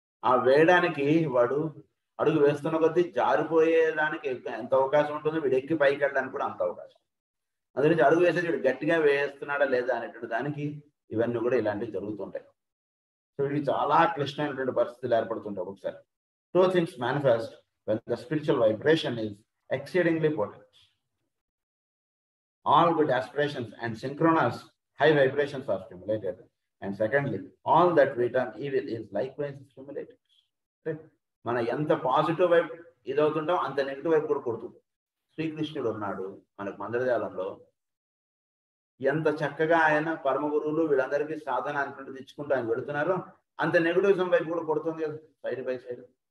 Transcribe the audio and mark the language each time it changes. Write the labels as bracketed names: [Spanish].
[Telugu] ఆ వేయడానికి వాడు అడుగు వేస్తున్న కొద్దీ జారిపోయేదానికి ఎంత అవకాశం ఉంటుందో, వీడు ఎక్కి పైకి వెళ్ళడానికి కూడా అంత అవకాశం. అందుకని అడుగు వేసేది వీడు గట్టిగా వేస్తున్నాడా లేదా అనేటువంటి దానికి ఇవన్నీ కూడా ఇలాంటివి జరుగుతుంటాయి. సో వీడికి చాలా క్లిష్టమైనటువంటి పరిస్థితులు ఏర్పడుతుంటాయి. ఒకసారి [English] Two things manifest when the spiritual vibration is exceedingly potent. All good aspirations and synchronous high vibrations are stimulated. And secondly all that return evil is likewise stimulated. [Telugu] అంటే మన ఎంత పాజిటివ్ వైపు ఇది అవుతుంటాం అంత నెగిటివ్ వైపు కూడా కొడుతుంది. శ్రీకృష్ణుడు ఉన్నాడు మనకు మందరజాలంలో, ఎంత చక్కగా ఆయన పరమ గురువులు వీళ్ళందరికీ సాధన అనుకుంటూ తెచ్చుకుంటూ ఆయన పెడుతున్నారో అంత నెగిటివిజం వైపు కూడా కొడుతుంది కదా సైడ్ బై సైడ్.